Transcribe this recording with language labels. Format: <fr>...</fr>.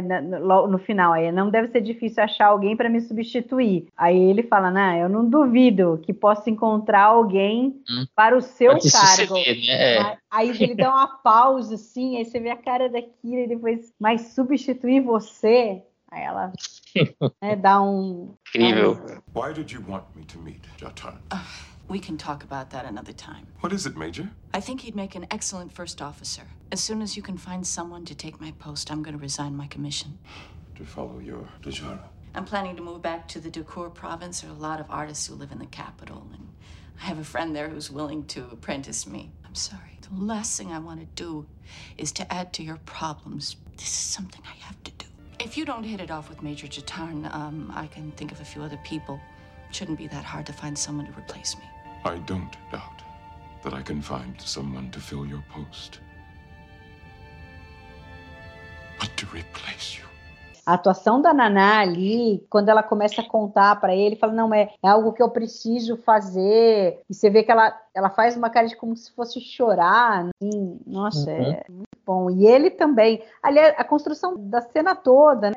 <pt>No final, aí não deve ser difícil achar alguém para me substituir. Aí ele fala, né? Eu não duvido que possa encontrar alguém para o seu pode cargo. Suceder, né? Aí ele dá uma pausa, assim, aí você vê a cara da Kira e depois, mas substituir você? Aí ela dá um... Incrível.</pt> <en>Why did you want me to meet Jatan? We can talk about that another time. What is it, Major? I think he'd make an excellent first officer. As soon as you can find someone to take my post, I'm going to resign my commission. To follow your desire. I'm planning to move back to the Dukur province. There are a lot of artists who live in the capital, and I have a friend there who's willing to apprentice me. I'm sorry. The last thing I want to do is to add to your problems. This is something I have to do. If you don't hit it off with Major Jatarn, I can think of a few other people. It shouldn't be that hard to find someone to replace me. I don't doubt that I can find someone to fill your post. But to replace you.</en> <pt>A atuação da Naná ali, quando ela começa a contar para ele, fala, não, é algo que eu preciso fazer. E você vê que ela faz uma cara de como se fosse chorar. Assim. Nossa, uhum. É muito bom. E ele também. Ali, a construção da cena toda, né?</pt>